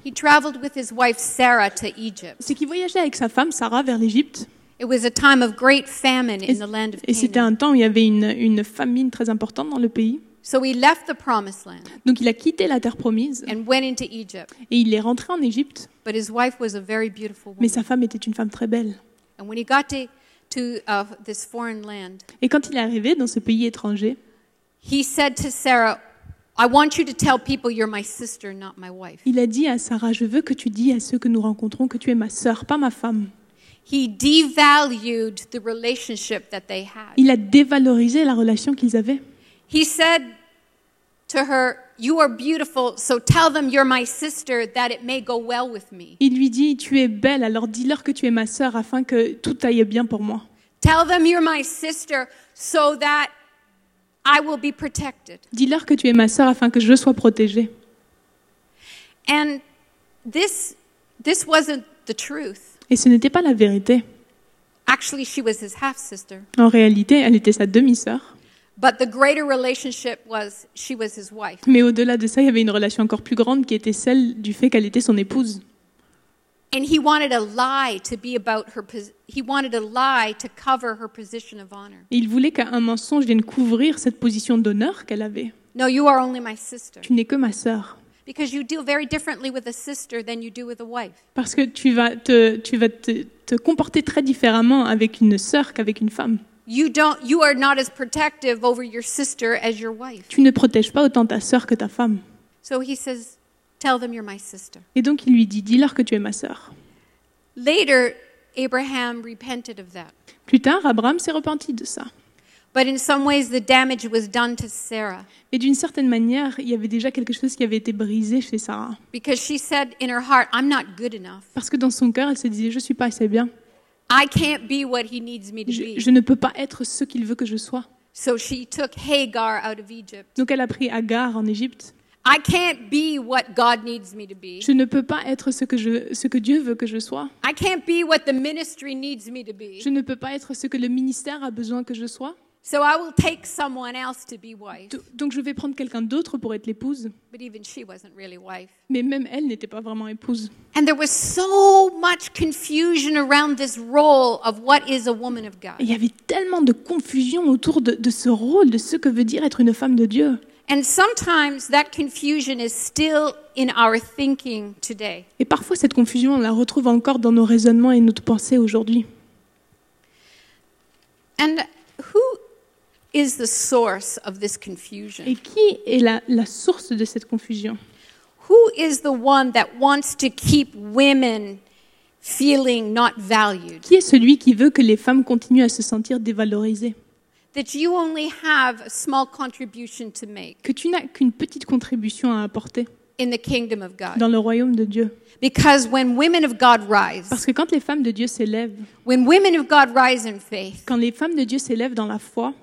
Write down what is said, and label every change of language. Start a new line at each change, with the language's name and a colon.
English: He traveled with his wife Sarah to Egypt.
French: C'est qu'il voyageait avec sa femme Sarah vers l'Égypte.
English: It was a time of great famine in the land of Canaan.
French: Et c'était un temps où il y avait une famine très importante dans le pays.
English: So he left the promised land.
French: Donc il a quitté la terre promise.
English: And went into Egypt.
French: Et il est rentré en Égypte.
English: But his wife was a very beautiful woman.
French: Mais sa femme était une femme très belle.
English: And when he got to this foreign land.
French: Et quand il est arrivé dans ce pays étranger,
English: he said to Sarah, I want you to tell people you're my sister, not my wife.
French: Il a dit à Sarah, je veux que tu dises à ceux que nous rencontrons que tu es ma sœur, pas ma femme.
English: He devalued the relationship that they had.
French: Il a dévalorisé la relation qu'ils avaient.
English: He said to her, you are beautiful, so tell them you're my sister that it may go well with me.
French: Il lui dit, tu es belle, alors dis-leur que tu es ma sœur afin que tout aille bien pour moi.
English: Tell them you're my sister so that I will be protected.
French: Dis-leur que tu es ma sœur afin que je sois protégée.
English: And this wasn't the truth.
French: Et ce n'était pas la vérité.
English: Actually, she was his half-sister.
French: En réalité, elle était sa demi-sœur.
English: But the greater relationship was she was his wife.
French: Mais au-delà de ça, il y avait une relation encore plus grande qui était celle du fait qu'elle était son épouse.
English: And he wanted a lie to be about her. He wanted a lie to cover her position of honor.
French: Il voulait qu'un mensonge vienne couvrir cette position d'honneur qu'elle avait.
English: No, you are only my sister.
French: Tu n'es que ma sœur.
English: Because you deal very differently with a sister than you do with a wife.
French: Parce que tu vas te comporter très différemment avec une sœur qu'avec une femme.
English: You are not as protective over your sister as your wife.
French: Tu ne protèges pas autant ta sœur que ta femme.
English: So he says. Tell them you're my sister.
French: Et donc il lui dit, dis-leur que tu es ma sœur.
English: Later, Abraham repented of that.
French: Plus tard, Abraham s'est repenti de ça.
English: But in some ways, the damage was done to Sarah.
French: Et d'une certaine manière, il y avait déjà quelque chose qui avait été brisé chez Sarah.
English: Because she said in her heart, I'm not good enough.
French: Parce que dans son cœur, elle se disait, je ne suis pas assez bien.
English: I can't be what he needs me to be.
French: Je ne peux pas être ce qu'il veut que je sois.
English: So she took Hagar out of Egypt.
French: Donc elle a pris Agar en Égypte.
English: I can't be what God needs me to be.
French: Je ne peux pas être ce que Dieu veut que je sois.
English: I can't be what the ministry needs me to be.
French: Je ne peux pas être ce que le ministère a besoin que je sois.
English: So I will take someone else to be wife.
French: Donc je vais prendre quelqu'un d'autre pour être l'épouse.
English: But even she wasn't really wife.
French: Mais même elle n'était pas vraiment épouse.
English: And there was so much confusion around this role of what is a woman of God.
French: Il y avait tellement de confusion autour de ce rôle, de ce que veut dire être une femme de Dieu.
English: And sometimes that confusion is still in our thinking today.
French: Et parfois cette confusion, on la retrouve encore dans nos raisonnements et notre pensée aujourd'hui.
English: And who is the source of this confusion?
French: Et qui est la source de cette confusion?
English: Who is the one that wants to keep women feeling not valued?
French: Qui est celui qui veut que les femmes continuent à se sentir dévalorisées?
English: That you only have a small contribution to make.
French: Que tu n'as qu'une petite contribution à apporter.
English: In the kingdom of God.
French: Dans le royaume de Dieu.
English: Because when women of God rise.
French: Parce que quand les femmes de Dieu s'élèvent.
English: When women of God rise in faith.
French: Quand les femmes de Dieu s'élèvent dans la foi.